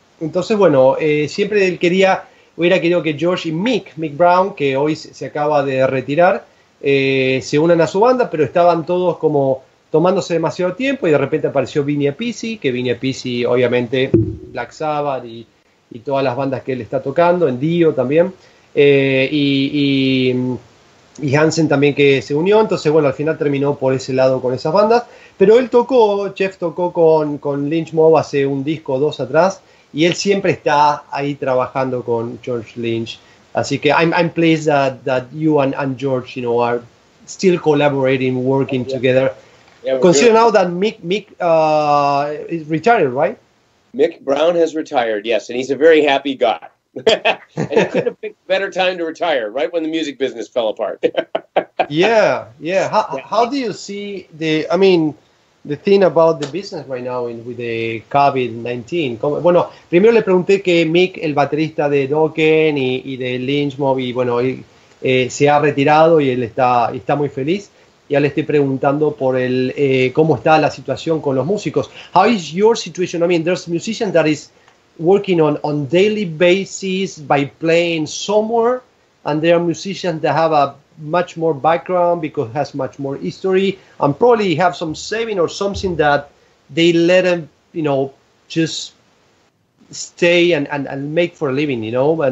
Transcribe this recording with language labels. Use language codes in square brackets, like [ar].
[es] Entonces, bueno, siempre él hubiera querido que George y Mick Brown, que hoy se acaba de retirar, se unan a su banda, pero estaban todos como tomándose demasiado tiempo, y de repente apareció Vinny Appice, que Vinny Appice, obviamente, Black Sabbath y todas las bandas que él está tocando, en Dio también, y Hansen también, que se unió. Entonces, bueno, al final terminó por ese lado con esas bandas, pero él tocó, Jeff tocó con Lynch Mob hace un disco o dos atrás, y él siempre está ahí trabajando con George Lynch. Así que [en] I'm pleased that you and George, you know, are still collaborating, working together. Yeah, consider now that Mick is retired, right? Mick Brown has retired, yes, and he's a very happy guy. And he couldn't have picked a better time to retire, right when the music business fell apart. Yeah. How do you see the thing about the business right now with the COVID-19. [es] Primero le pregunté que Mick, el baterista de Dokken y de Lynch Mob, y bueno, él se ha retirado y él está muy feliz. Ya le estoy preguntando por el cómo está la situación con los músicos. [en] How is your situation? I mean, there's a musician that is working on daily basis by playing somewhere, and there are musicians that have a much more background because it has much more history and probably have some saving or something that they let them, you know, just stay and make for a living, you know.